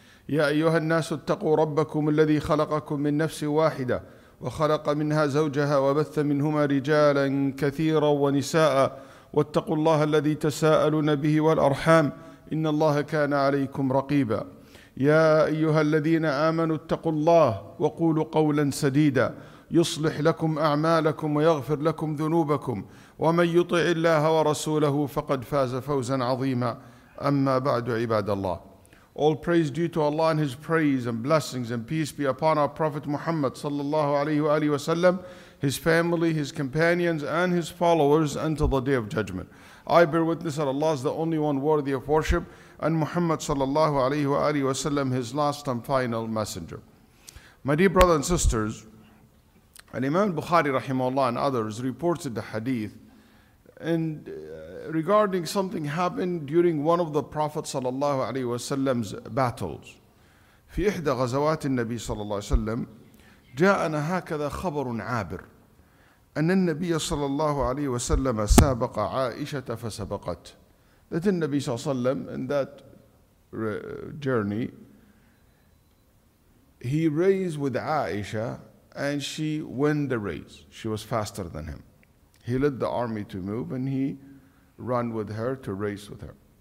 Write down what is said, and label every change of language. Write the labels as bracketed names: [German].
[Arabic] يا أيها الناس اتقوا ربكم الذي خلقكم من نفس واحدة وخلق منها زوجها وبث منهما رجالا كثيرا ونساء، واتقوا الله الذي تساءلون به والأرحام، إن الله كان عليكم رقيبا. يا أيها الذين آمنوا اتقوا الله وقولوا قولا سديدا يصلح لكم أعمالكم ويغفر لكم ذنوبكم، ومن يطع الله ورسوله فقد فاز فوزا عظيما. أما بعد، عباد الله، [English] all praise due to Allah and His praise and blessings and peace be upon our Prophet Muhammad sallallahu alayhi wa sallam, his family, his companions, and his followers until the Day of Judgment. I bear witness that Allah is the only one worthy of worship, and Muhammad sallallahu alayhi wa alihi wa sallam, his last and final messenger. My dear brothers and sisters, and Imam Bukhari rahimahullah and others reported the hadith and regarding something happened during one of the Prophet sallallahu alayhi wa sallam's battles. [Arabic] في إحدى غزوات النبي صلى الله عليه وسلم جاءنا هكذا خبر عابر أن النبي صلى الله عليه وسلم سابق عائشة فسبقت. [English] That [Arabic] النبي صلى الله عليه وسلم [English] in that journey he raced with Aisha and she won the race. She was faster than him. He led the army to move and he ran with her to race with her.